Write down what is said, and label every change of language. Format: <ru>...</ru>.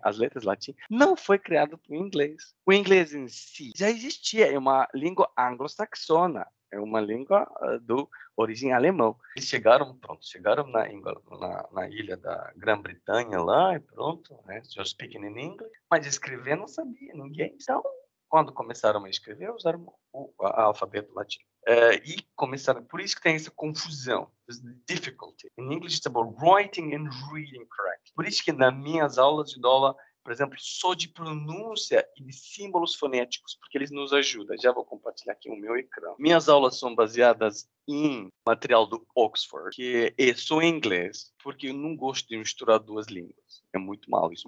<pt>As letras latim, não foi criada para o inglês. O inglês em si já existia, é uma língua anglo-saxona, é uma língua do origem alemão. Eles chegaram, pronto, chegaram na ilha da Grã-Bretanha lá, e pronto, né?</pt> <en>Just speaking in English.</en> <pt>Mas escrever não sabia, ninguém. Então, quando começaram a escrever, usaram o alfabeto latim. E começaram, por isso que tem essa confusão,</pt> <en>this difficulty. In English, it's about writing and reading correctly.</en> <pt>Por isso que nas minhas aulas de aula, por exemplo, só de pronúncia e de símbolos fonéticos, porque eles nos ajudam. Já vou compartilhar aqui o meu ecrã. Minhas aulas são baseadas em material do Oxford, que é só em inglês, porque eu não gosto de misturar duas línguas. É muito mal isso.</pt>